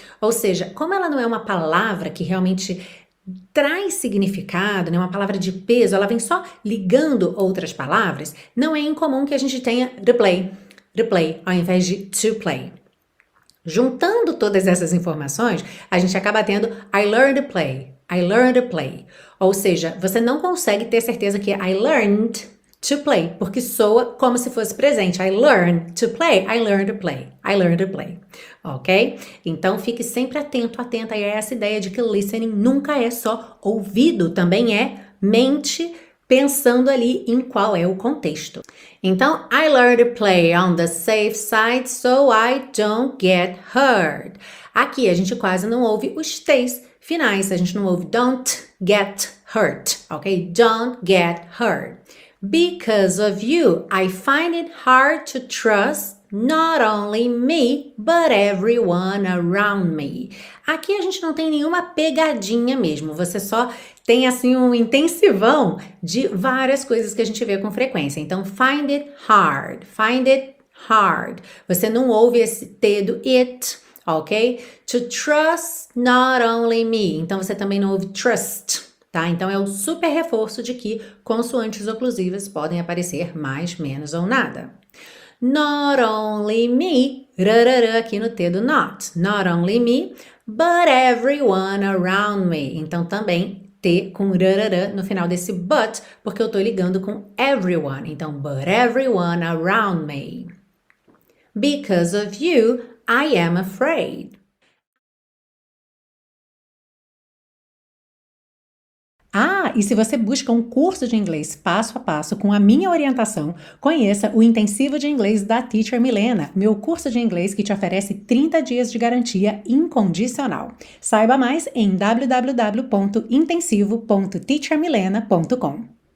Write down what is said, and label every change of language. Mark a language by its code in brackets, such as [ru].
[pt] Ou seja, como ela não é uma palavra que realmente traz significado, né? Uma palavra de peso, ela vem só ligando outras palavras, não é incomum que a gente tenha replay, replay, ao invés de to play. Juntando todas essas informações, a gente acaba tendo [en] I learned to play, [pt] I learned to play. Ou seja, você não consegue ter certeza que [en] I learned to play, [pt] porque soa como se fosse presente. [en] I learned to play, I learned to play, I learned to play. Ok? [pt] Então, fique sempre atento, atenta a essa ideia de que listening nunca é só ouvido, também é mente pensando ali em qual é o contexto. [en] Então, I learned to play on the safe side so I don't get hurt. [pt] Aqui, a gente quase não ouve os T's finais. A gente não ouve [en] don't get hurt, [pt] ok? [en] Don't get hurt. Because of you, I find it hard to trust not only me, but everyone around me. [pt] Aqui a gente não tem nenhuma pegadinha mesmo. Você só tem assim um intensivão de várias coisas que a gente vê com frequência. [en] Então, find it hard. Find it hard. [pt] Você não ouve esse T do it, ok? [en] To trust not only me. [pt] Então, você também não ouve trust, tá? Então, é um super reforço de que consoantes oclusivas podem aparecer mais, menos ou nada. [en] Not only me, rarara, [pt] aqui no [en] T do not. Not only me, but everyone around me. [pt] Então, também T com rarara no final desse but, porque eu tô ligando com everyone. [en] Então, but everyone around me. Because of you, I am afraid. [pt] Ah, e se você busca um curso de inglês passo a passo com a minha orientação, conheça o Intensivo de Inglês da Teacher Milena, meu curso de inglês que te oferece 30 dias de garantia incondicional. Saiba mais em www.intensivo.teachermilena.com.